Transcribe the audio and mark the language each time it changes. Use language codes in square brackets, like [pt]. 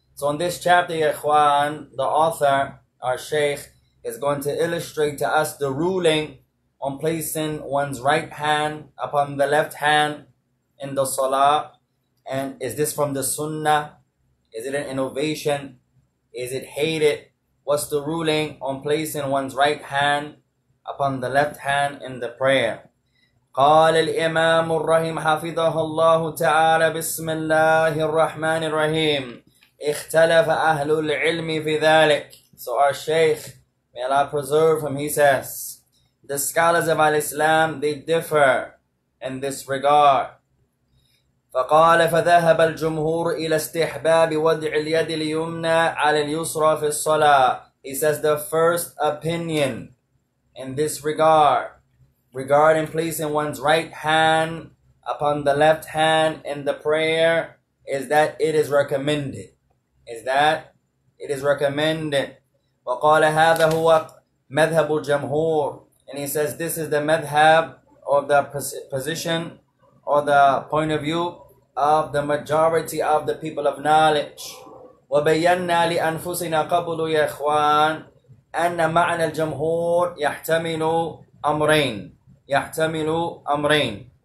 [en] So in this chapter, ya ikhwan, the author, our Shaykh, is going to illustrate to us the ruling on placing one's right hand upon the left hand in the Salah. And is this from the Sunnah? Is it an innovation? Is it hated? What's the ruling on placing one's right hand upon the left hand in the prayer? [ar] قال الإمام الرحيم حفظه الله تعالى بسم الله الرحمن الرحيم اختلف أهل العلم في ذلك. [en] So our Shaykh, may Allah preserve him, he says, the scholars of Al-Islam, they differ in this regard. [ar] فقال فذهب الجمهور إلى استحباب وضع اليد اليمنى على اليسرى في الصلاة. [en] He says the first opinion in this regard, regarding placing one's right hand upon the left hand in the prayer, is that it is recommended. Is that it is recommended. [ar] وقال هذا هو مذهب الجمهور. [en] And he says this is the madhab or the position or the point of view of the majority of the people of knowledge. [ar] وَبَيَّنَّا لِأَنفُسِنَا قَبْلُ يَا إِخْوَانَ أَنَّ مَعْنَى الْجَمْهُورِ يَحْتَمِلُ أَمْرَيْنِ يَحْتَمِلُ أَمْرَيْنِ.